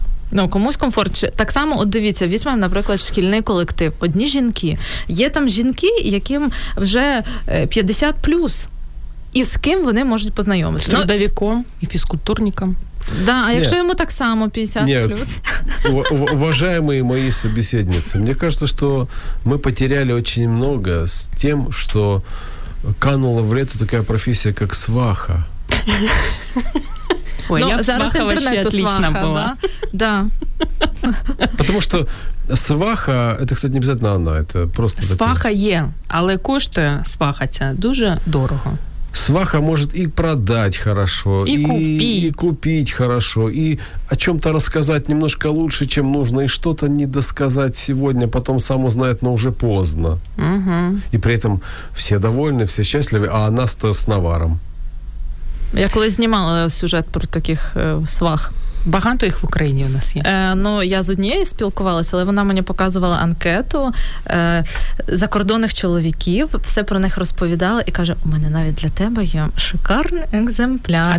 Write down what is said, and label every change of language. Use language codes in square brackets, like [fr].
[uk] Ну, комусь комфортніше. Так само, от дивіться, візьмемо, наприклад, шкільний колектив. Одні жінки. Є там жінки, яким вже 50+. І з ким вони можуть познайомитися? З трудовиком і фізкультурником. Да, а якщо йому так само 50+. [ru] Уважаемые мои собеседницы, мне кажется, что мы потеряли очень много с тем, что канула в лету такая профессия, как сваха. Ой, ну, [uk] я зараз [ru] сваха вообще отлично была. Да. Потому что сваха, это, кстати, не обязательно она, это просто... Сваха такие. [uk] Є, але коштує свахаться дуже дорого. [ru] Сваха может и продать хорошо, и купить хорошо, и о чем-то рассказать немножко лучше, чем нужно, и что-то недосказать сегодня, потом сам узнает, но уже поздно. Угу. И при этом все довольны, все счастливы, а она стоит с наваром. [uk] Я колись знімала сюжет про таких свах. Багато їх в Україні у нас є. Ну, я з однією спілкувалася, але вона мені показувала анкету закордонних чоловіків, все про них розповідала і каже: "У мене навіть для тебе є шикарний екземпляр".